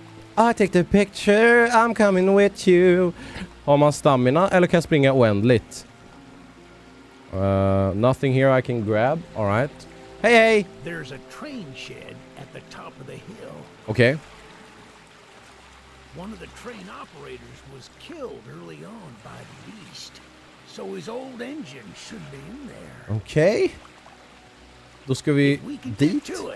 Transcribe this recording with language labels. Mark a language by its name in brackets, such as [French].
[English] I take the picture, I'm coming with you. [Swedish] Har man stamina eller kan springa oändligt? [English] Nothing here I can grab. All right. Hey, hey. There's a train shed at the top of the hill. Okay. One of the train operators was killed early on by the beast. So his old engine should be in there. [Swedish] Okay. Då ska vi dit.